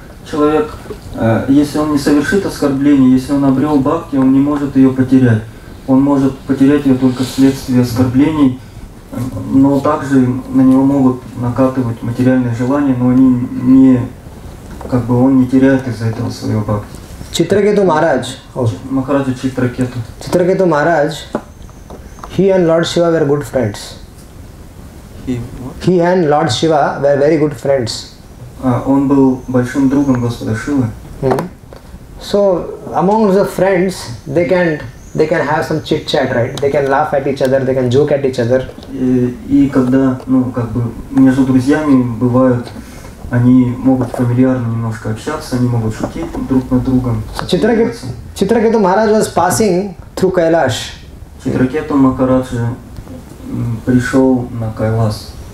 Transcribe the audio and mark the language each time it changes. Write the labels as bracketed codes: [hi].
[ru] Человек, если он не совершит оскорбление, если он обрел бхакти, он не может ее потерять. Он может потерять ее только вследствие оскорблений, но также на него могут накатывать материальные желания, но они не, как бы он не теряет из-за этого своего бхакти. [en] Chitraketu Maharaj. Maharaja Chitraketu. Chitraketu Maharaj, he and Lord Shiva were good friends. He and Lord Shiva were very good friends. [ru] Он был большим другом Господа Шивы. [en] So among the friends, they can have some chit chat, right? They can laugh at each other, they can joke at each other. [ru] И когда, ну как бы между друзьями бывают. Они могут фамильярно немножко общаться, они могут шутить друг над другом. [en] Chitraketu Maharaj was passing through Kailash. [ru] Chitraketu Maharaj пришел на Кайлас.